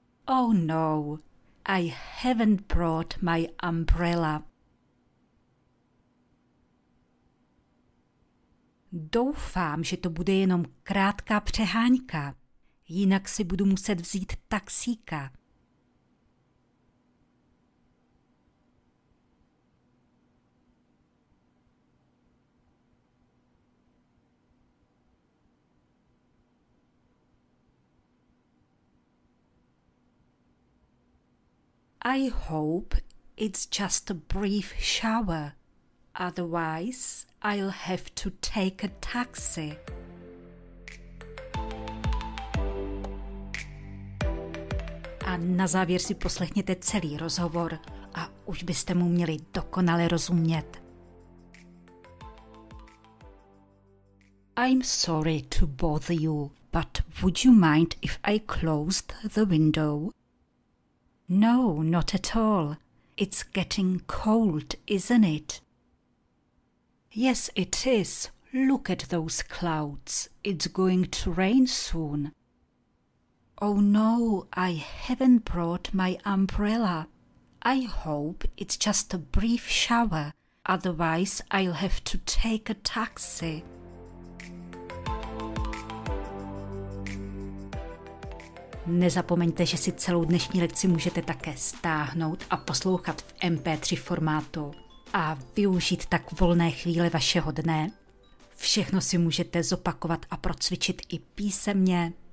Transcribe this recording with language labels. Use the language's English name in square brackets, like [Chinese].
[English] Oh no, I haven't brought my umbrella. [Czech] Doufám, že to bude jenom krátká přeháňka, jinak si budu muset vzít taxíka. [English] I hope it's just a brief shower. Otherwise, I'll have to take a taxi. [Czech] A na závěr si poslechněte celý rozhovor a už byste mu měli dokonale rozumět. [English] I'm sorry to bother you, but would you mind if I closed the window? No, not at all. It's getting cold, isn't it? Yes, it is. Look at those clouds. It's going to rain soon. Oh no, I haven't brought my umbrella. I hope it's just a brief shower. Otherwise, I'll have to take a taxi. [Czech] Nezapomeňte, že si celou dnešní lekci můžete také stáhnout a poslouchat v MP3 formátu a využít tak volné chvíle vašeho dne. Všechno si můžete zopakovat a procvičit i písemně.